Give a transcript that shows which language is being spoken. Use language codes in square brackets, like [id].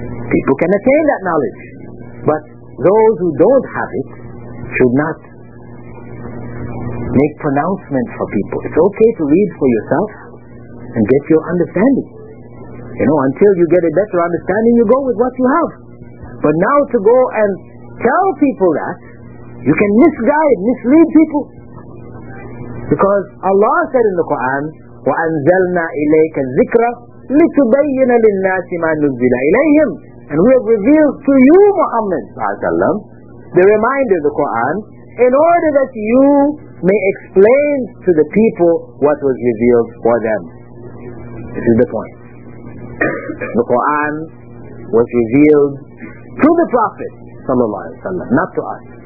[en] People can attain that knowledge. But those who don't have it should not make pronouncements for people. It's okay to read for yourself and get your understanding. You know, until you get a better understanding, you go with what you have. But now to go and tell people that, you can misguide, mislead people. Because Allah said in the Quran, [ar] وَأَنزَلْنَا إِلَيْكَ الذِّكْرَ لِتُبَيِّنَ لِلنَّاسِ مَا نُزِّلَ إِلَيْهِمْ. [en] And we have revealed to you, Muhammad sallam, the reminder of the Quran, in order that you may explain to the people what was revealed for them. This is the point. The Quran was revealed to the Prophet sallallahu alaihi wasallam, not to us.